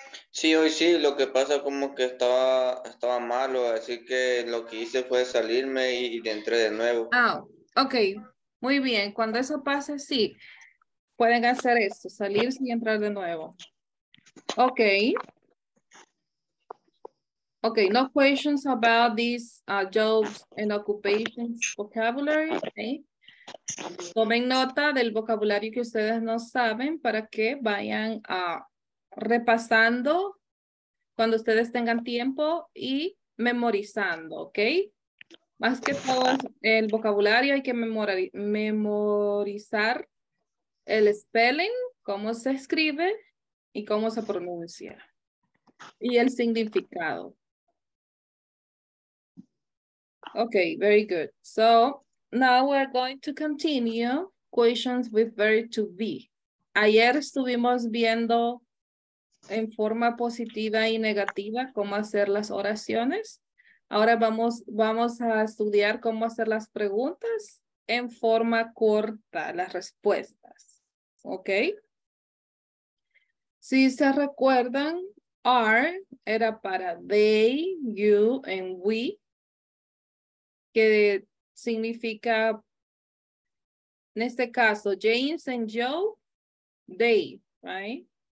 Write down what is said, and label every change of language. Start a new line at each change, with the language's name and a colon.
Spanish: Sí, hoy sí. Lo que pasa como que estaba malo. Así que lo que hice fue salirme y entré de nuevo. Ah, ok. Muy bien. Cuando eso pase, sí. Pueden hacer eso, salirse y entrar de nuevo. Ok.
English: Ok, no questions about these jobs and occupations vocabulary. Okay.
Spanish: Tomen nota del vocabulario que ustedes no saben para que vayan repasando cuando ustedes tengan tiempo y memorizando, ok. Más que todo el vocabulario hay que memorizar el spelling, cómo se escribe y cómo se pronuncia y el significado.
English: Okay, very good. So now we're going to continue questions with verb to be.
Spanish: Ayer estuvimos viendo en forma positiva y negativa cómo hacer las oraciones. Ahora vamos a estudiar cómo hacer las preguntas en forma corta, las respuestas. Okay. Si se recuerdan, are era para
English: they, you, and we,
Spanish: que significa, en este caso,
English: James and Joe, they, right?